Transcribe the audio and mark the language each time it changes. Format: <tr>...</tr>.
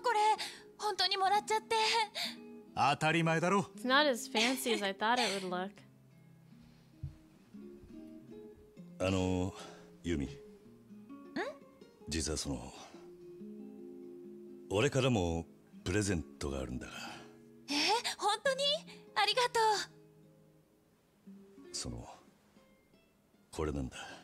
<ja>これ本当にもらっちゃって。当たり前だろ。</ja> <en>It's not as fancy as I thought it would look.</en> <ja>ユミ。ん？実はその、俺からもプレゼントがあるんだが。本当に？ありがとう。その、これなんだ。</ja>